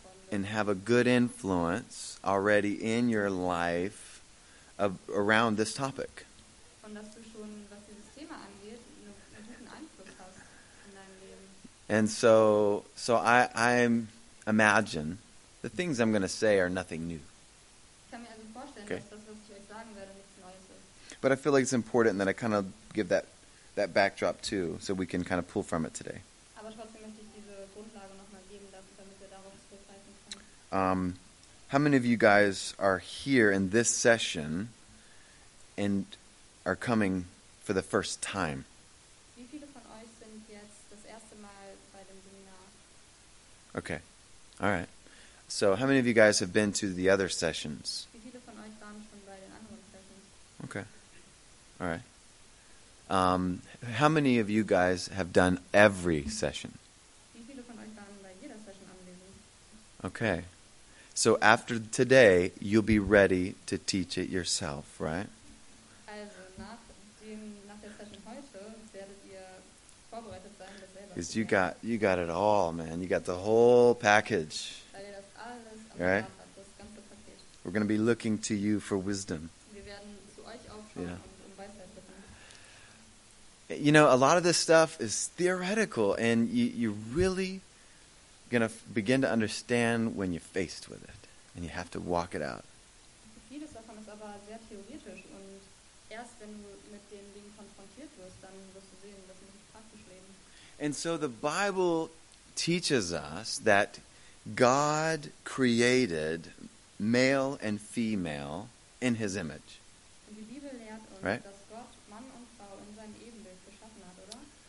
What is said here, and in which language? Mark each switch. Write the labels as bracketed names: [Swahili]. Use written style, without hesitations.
[English] and have a good influence already in your life around this topic. [German] Und dass du schon, was dieses Thema angeht, einen guten Einfluss hast in deinem Leben. [English] And so I imagine the things I'm going to say are nothing new. [German] Ich kann mir also vorstellen, okay, dass das, was ich euch sagen werde, nichts Neues ist. [English] But I feel like it's important that I kind of give that backdrop too, so we can kind of pull from it today. [German] Aber trotzdem möchte ich diese Grundlage nochmal geben, damit wir darauf zurückgreifen können. [English] How many of you guys are here in this session and are coming for the first time? [German] Wie viele von euch sind jetzt das erste Mal bei dem Seminar? [English] Okay, all right. So how many of you guys have been to the other sessions? [German] Wie viele von euch waren schon bei den anderen Sessions? [English] Okay, all right. How many of you guys have done every session? [German] Wie viele von euch waren bei jeder Session anwesend? [English] Okay. So after today, you'll be ready to teach it yourself, right? [German] Also nach der Session heute werdet ihr vorbereitet sein, das selber. [English] Because you got it all, man. You got the whole package. [German] Weil ihr das alles am Start hat, das ganze Paket. [English] We're going to be looking to you for wisdom. [German] Wir werden zu euch aufschauen, yeah, und Weisheit bitten. [English] You know, a lot of this stuff is theoretical, and you really going to begin to understand when you're faced with it and you have to walk it out. [German] Vieles davon ist aber sehr theoretisch und erst wenn du mit den Dingen konfrontiert wirst, dann wirst du sehen, dass du nicht praktisch leben. [English] And so the Bible teaches us that God created male and female in his image. [German] Und die Bibel lehrt uns, right? Dass Gott Mann und Frau in sein Ebenbild geschaffen hat, oder?